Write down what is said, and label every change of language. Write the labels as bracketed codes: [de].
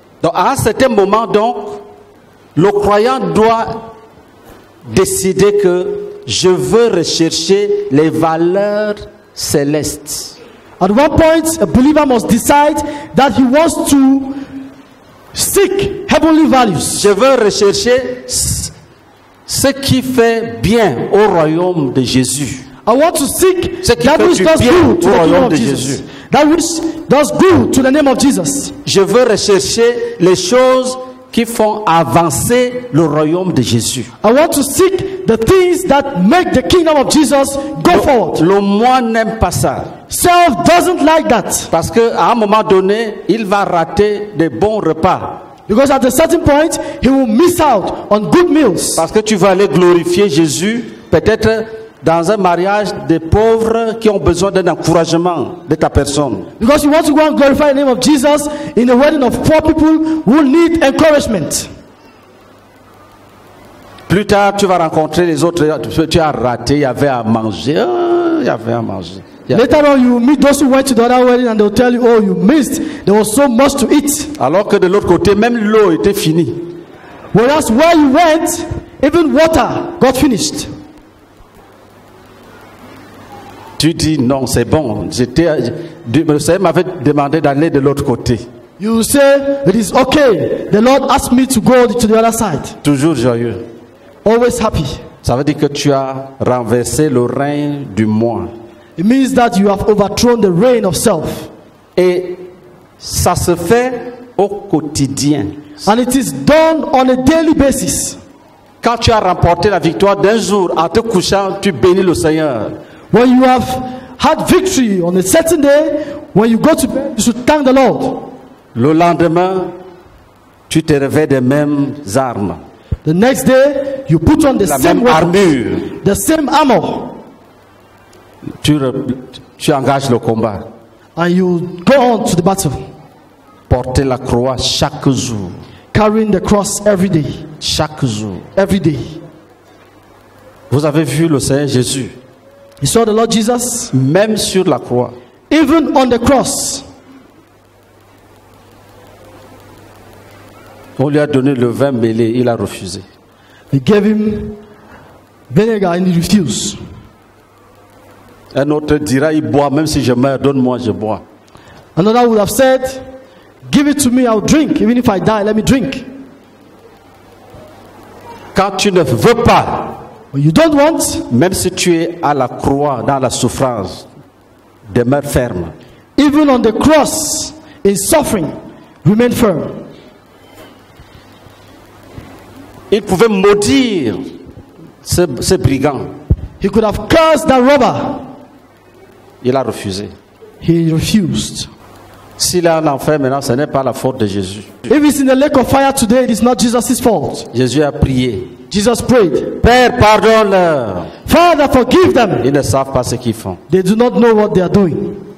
[fr] Donc à un certain moment donc, le croyant doit décider que je veux rechercher les valeurs célestes. [en] At one point, a believer must decide that he wants to seek heavenly values. [fr] Je veux rechercher ce qui fait bien au royaume de Jésus. [en] I want to seek that which does good to the kingdom of Jesus. That which does good to the name of Jesus. [fr] Je veux rechercher les choses qui font avancer le royaume de Jésus. [en] I want to seek the things that make the kingdom of Jesus go forward. [fr] Le moi n'aime pas ça. [en] Self doesn't like that. [fr] Parce que à un moment donné, il va rater des bons repas. [en] Because at a certain point, he will miss out on good meals. [fr] Parce que tu vas aller glorifier Jésus, peut-être dans un mariage des pauvres qui ont besoin d'un encouragement de ta personne. [en] Because you want to go and glorify the name of Jesus in a wedding of poor people who need encouragement. [fr] Plus tard, tu vas rencontrer les autres. Tu as raté. Il y avait à manger. Il y avait à manger. [en] Later on, you meet those who went to the other wedding and they'll tell you, oh, you missed. There was so much to eat. [fr] Alors que de l'autre côté, même l'eau était finie. [en] Whereas where you went, even water got finished. [fr] Tu dis non, c'est bon. J'étais, ça m'avait demandé d'aller de l'autre côté. [en] You say it is okay. The Lord asked me to go to the other side. [fr] Toujours joyeux. [en] Always happy. [fr] Ça veut dire que tu as renversé le règne du moi. [en] It means that you have overthrown the reign of self. [fr] Et ça se fait au quotidien. [en] And it is done on a daily basis. [fr] Quand tu as remporté la victoire d'un jour, en te couchant, tu bénis le Seigneur. [en] When you have had victory on a certain day, when you go to bed, you should thank the Lord. [fr] Le lendemain, tu te réveilles des mêmes armes. [en] The next day, you put on the [fr] la [en] same weapon, [fr] armure. [en] The same armor. [fr] Tu engages le combat. [en] And you go on to the battle. [fr] Porter la croix chaque jour. [en] Carrying the cross every day. [fr] Chaque jour. [en] Every day. [fr] Vous avez vu le Seigneur Jésus. [en] You saw the Lord Jesus. [fr] Même sur la croix. [en] Even on the cross. [fr] On lui a donné le vin mêlé, il a refusé. [en] He gave him vinegar and he refused. [fr] Un autre dira, il boit même si je meurs, donne-moi, je bois. [en] Another would have said, give it to me, I'll drink. Even if I die, let me drink. [fr] Quand tu ne veux pas, [en] when you don't want, [fr] même si tu es à la croix, dans la souffrance, demeure ferme. [en] Even on the cross, in suffering, remain firm. [fr] Il pouvait maudire ce brigand. [en] He could have cursed that robber. [fr] Il a refusé. [en] He refused. [fr] S'il est en enfer maintenant, ce n'est pas la faute de Jésus. [en] If he's in the lake of fire today, it is not Jesus' fault. [fr] Jésus a prié. [en] Jesus prayed. [fr] Père, pardonne-leur. [en] Father, forgive them. [fr] Ils ne savent pas ce qu'ils font. [en] They do not know what they are doing.